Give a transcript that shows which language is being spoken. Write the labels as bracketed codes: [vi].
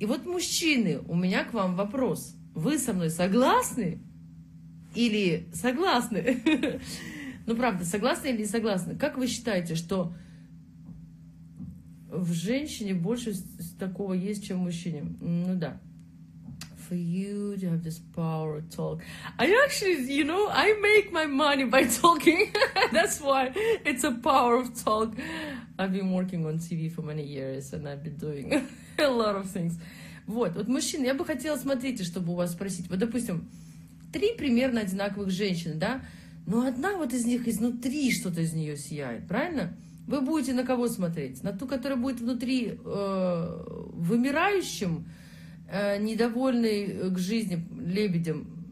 [ru] И вот, мужчины, у меня к вам вопрос. Вы со мной согласны? Или согласны? Ну, правда, согласны или не согласны? Как вы считаете, что в женщине больше такого есть, чем в мужчине? Ну да. [en] For you to have this power to talk. I actually, you know, I make my money by talking. That's why it's a power of talk. I've been working on TV for many years, and I've been doing a lot of things. [ru] Вот, мужчины, я бы хотела, смотрите, чтобы у вас спросить. Вот, допустим, три примерно одинаковых женщины, да? Но одна вот из них изнутри что-то из нее сияет, правильно? Вы будете на кого смотреть? На ту, которая будет внутри вымирающим, недовольной к жизни лебедем?